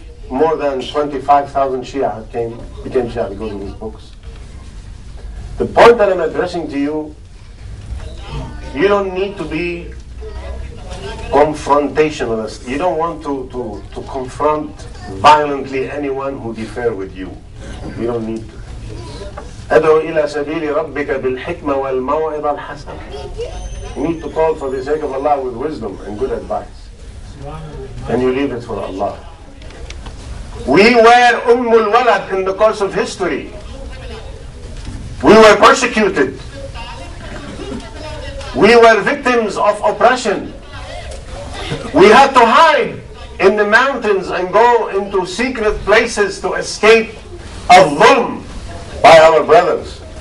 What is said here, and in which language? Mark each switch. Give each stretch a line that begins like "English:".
English: More than 25,000 Shia became Shia because of his books. The point that I'm addressing to you, you don't need to be confrontationalist. You don't want to confront violently anyone who differ with you. You don't need to.
Arabic: أدعو إلى سبيل ربك بالحكمة والموعظة الحسنة.
English: You need to call for the sake of Allah with wisdom and good advice. And you leave it for Allah. We were
Arabic: أم الولد
English: in the course of history. We were persecuted. We were victims of oppression. We had to hide in the mountains and go into secret places to escape al-dhulm by our brothers.